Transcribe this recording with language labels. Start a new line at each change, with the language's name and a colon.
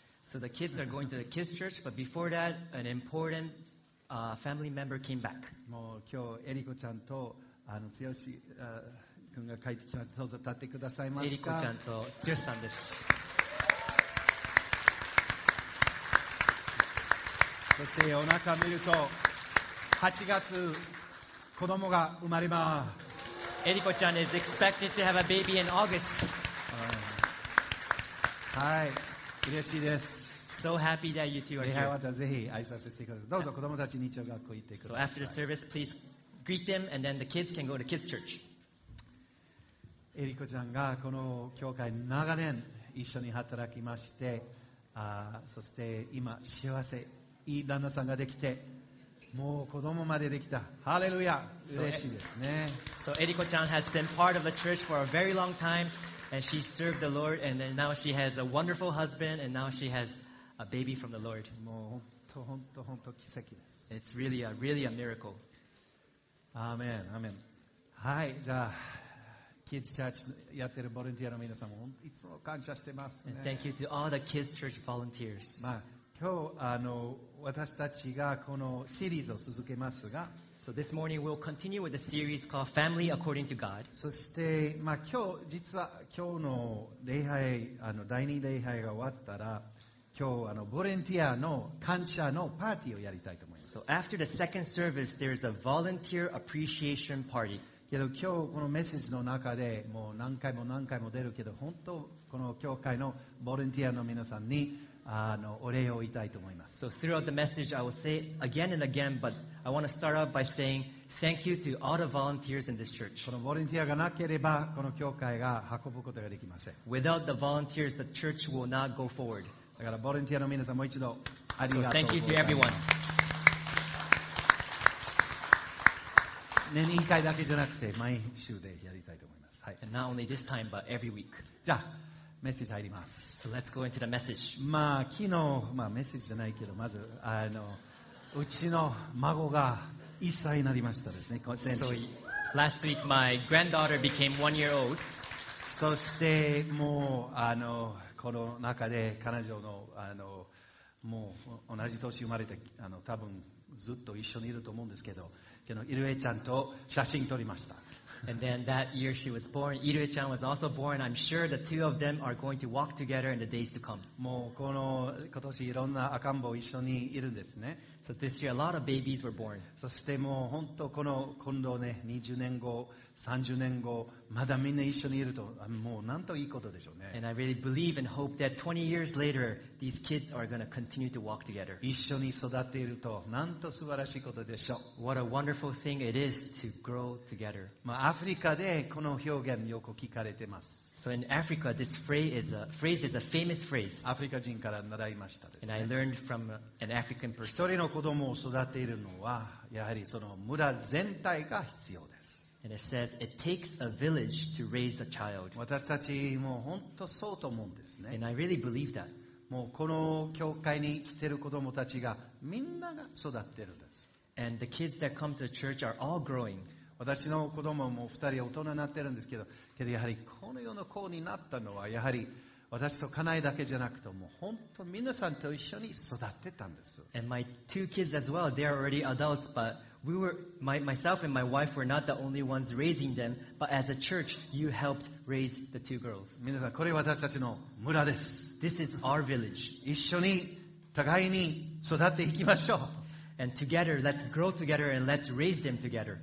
English: So the kids are going to the kids' church, but before that, an important, family member came back.
Japanese: もう今日、エリコちゃんと、つよし、君が帰ってきました。どうぞ立ってくださいました。エリコちゃんとつよしさんです。そして夜中見ると、8月子供が生まれます。
English: エリコちゃん is expected to have a baby in August.
Japanese: はい、嬉しいです。
English: So happy that you two are here.
Japanese: またぜひ挨拶してください。どうぞ子供たち日曜学校行ってください。
English: So after the service, please greet them and then the kids can go to kids church.
Japanese: エリコちゃんがこの教会長年一緒に働きまして、そして今幸せいい旦那さんができて、もう子供までできた。ハレルヤ。嬉しいですね。
English: So Eriko-chan has been part of the church for a very long time, and she served the Lord, and then now she has a wonderful husband, and now she has a baby from the Lord.
Japanese: もう本当本当本当奇跡です。
English: It's really a really a miracle.
Japanese: Amen, amen. はい、じゃあ、Kids Church やってるボランティアの皆さんもいつも感謝してますね。
English: And thank you to all the Kids Church volunteers.
Japanese: まあ今日私たちがこのシリーズを続けますが、
English: So this morning we'll continue with a series called Family According to God.
Japanese: そして、まあ、今日実は今日の礼拝、第二礼拝が終わったら、今日ボランティアの感謝のパーティーをやりたいと思います。
English: So after the second service, there is a volunteer appreciation party.
Japanese: けど今日このメッセージの中でもう何回も何回も出るけど、本当この教会のボランティアの皆さんに。お礼を言いたいと思います。
English: So throughout the message, I will say again and again, but I want to start out by saying thank you to all the volunteers in this church.
Japanese: このボランティアがなければこの教会が運ぶことができません。
English: Without the volunteers, the church will not go forward.
Japanese: だからボランティアの皆さんもう一度ありがとうございます。
English: So thank you to everyone.
Japanese: 年に一回だけじゃなくて毎週でやりたいと思います。はい。
English: And not only this time, but every week.
Japanese: じゃあメッセージ入ります。
English: So let's go into the message.
Japanese: まあ昨日、まあ、メッセージじゃないけど、まずうちの孫が1歳になりましたですね。
English: So, last week my granddaughter became one year old.
Japanese: そしてもうこの中で彼女 の, もう同じ年生まれて、多分ずっと一緒にいると思うんですけど、けどイルエちゃんと写真撮りました。
English: And then that year she was born. Irue-chan was also born. I'm sure the two of them are going to walk together in the days to come.
Japanese: もうこの今年いろんな赤ん坊一緒にいるんですね。
English: So this year a lot of babies were born.
Japanese: そしてもう本当この今度ね、20年後、30年後、まだみんな一緒にいると、もうなんといいことでしょうね。
English: And I really believe and hope that 20 years later, these kids are going to continue to walk together.
Japanese: 一緒に育っていると、なんと素晴らしいことでしょう。
English: What a wonderful thing it is to grow together.
Japanese: まあ、アフリカでこの表現よく聞かれてます。
English: So in Africa, this phrase is a famous phrase.
Japanese: アフリカ人から習いましたですね。
English: And I learned from an African person.
Japanese: 一人の子供を育てるのは、やはりその村全体が必要です。
English: And it says it takes a village to raise a child.
Japanese: 私たちも本当そうと思うんですね。
English: And I really believe that.
Japanese: もうこの教会に来ている子どもたちがみんなが育っているんです。
English: And the kids that come to the church are all growing.
Japanese: 私の子どもも2人大人になっているんですけど、けどやはりこの世の子になったのはやはり私と家内だけじゃなくて、もう本当皆さんと一緒に育ってたんです。
English: And my two kids as well, they are already adults, but we were, myself and my wife were not the only ones raising them, but as a church, you helped raise the two girls.
Japanese: 皆さん、これ私たちの村です。
English: This is our village.
Japanese: 一緒に、互いに育っていきましょう。
English: And together, let's grow together and let's raise them together.